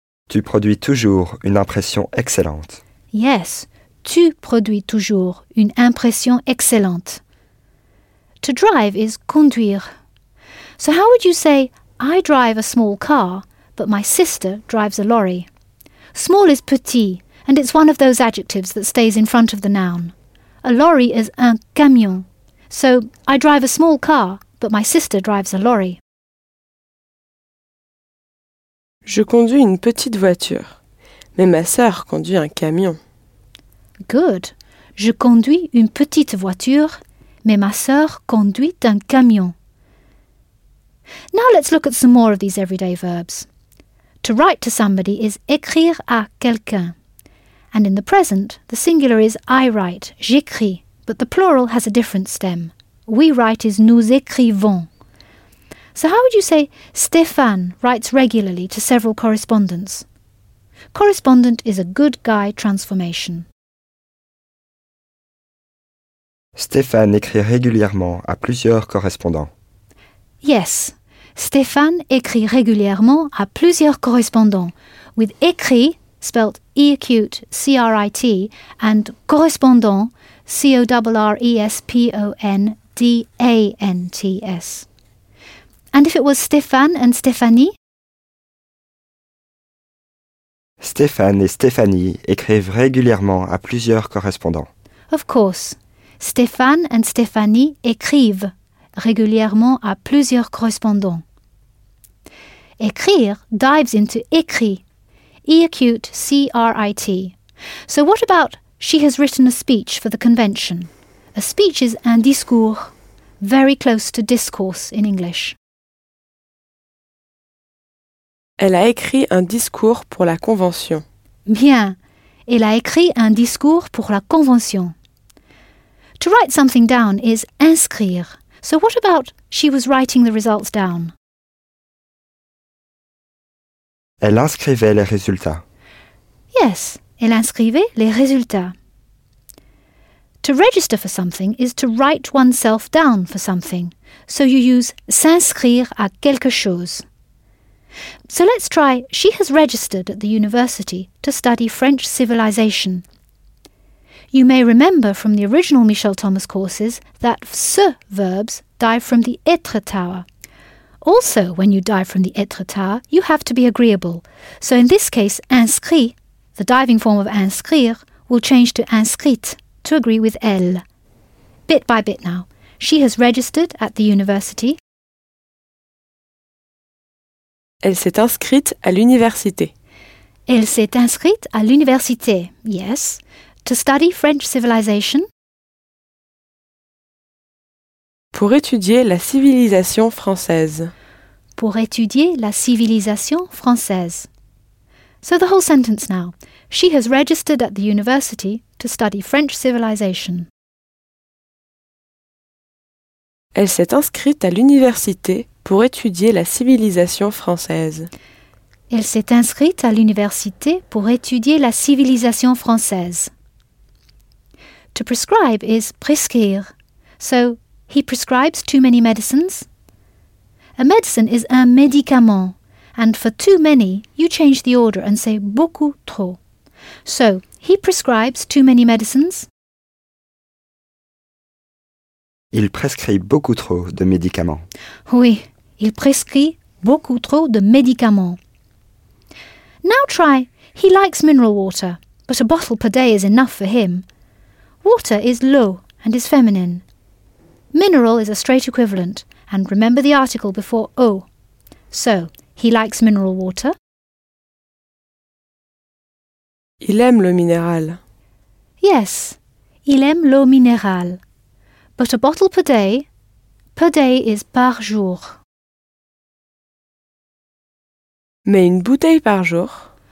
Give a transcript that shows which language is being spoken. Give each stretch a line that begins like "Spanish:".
French: Tu produis toujours une impression excellente.
English: Yes.
French: Tu produis toujours une impression excellente.
English: To drive is conduire. So how would you say, I drive a small car, but my sister drives a lorry? Small is petit, and it's one of those adjectives that stays in front of the noun. A lorry is un camion. So, I drive a small car, but my sister drives a lorry.
French: Je conduis une petite voiture, mais ma sœur conduit un camion.
English: Good.
French: Je conduis une petite voiture, mais ma sœur conduit un camion.
English: Now let's look at some more of these everyday verbs. To write to somebody is
French: écrire à quelqu'un.
English: And in the present, the singular is I write, j'écris, but the plural has a different stem. We write is
French: nous écrivons.
English: So how would you say Stéphane writes regularly to several correspondents? Correspondent is a good guy transformation.
French: Stéphane écrit régulièrement à plusieurs correspondants.
English: Yes,
French: Stéphane écrit régulièrement à plusieurs correspondants.
English: With écrit, spelled E-acute, C-R-I-T, and correspondant, C-O-R-R-E-S-P-O-N-D-A-N-T-S. And if it was Stéphane and Stéphanie?
French: Stéphane et Stéphanie écrivent régulièrement à plusieurs correspondants.
English: Of course.
French: Stéphane
English: and
French: Stéphanie écrivent régulièrement à plusieurs correspondants.
English: Écrire dives into écrit. E-acute, C-R-I-T. So what about she has written a speech for the convention? A speech is un discours, very close to discourse in English.
French: Elle a écrit un discours pour la convention. Bien. Elle a écrit un discours pour la convention.
English: To write something down is inscrire. So what about she was writing the results down?
French: Elle inscrivait les résultats.
English: Yes,
French: elle inscrivait les résultats.
English: To register for something is to write oneself down for something. So you use
French: s'inscrire à quelque chose.
English: So let's try she has registered at the university to study French civilization. You may remember from the original Michel Thomas courses that se verbs dive from the être tower. Also, when you dive from the être tower, you have to be agreeable. So in this case, inscrit, the diving form of inscrire, will change to inscrite, to agree with elle. Bit by bit now. She has registered at the university.
French: Elle s'est inscrite à l'université. Elle s'est inscrite à l'université,
English: yes. To study French civilization?
French: Pour étudier la civilisation française. pour étudier la civilisation française.
English: So the whole sentence now. She has registered at the university to study French civilization.
French: Elle s'est inscrite à l'université pour étudier la civilisation française. Elle s'est inscrite à l'université pour étudier la civilisation française.
English: To prescribe is prescrire. So, he prescribes too many medicines. A medicine is un médicament. And for too many, you change the order and say
French: beaucoup trop.
English: So, he prescribes too many medicines.
French: Il prescrit beaucoup trop de médicaments. Oui, il prescrit beaucoup trop de médicaments.
English: Now try, he likes mineral water, but a bottle per day is enough for him. Water is l'eau and is feminine. Mineral is a straight equivalent, and remember the article before eau. So, he likes mineral water.
French: Il aime l'eau minérale.
English: Yes,
French: il aime l'eau minérale.
English: But a bottle per day is par jour.
French: Mais une bouteille par jour.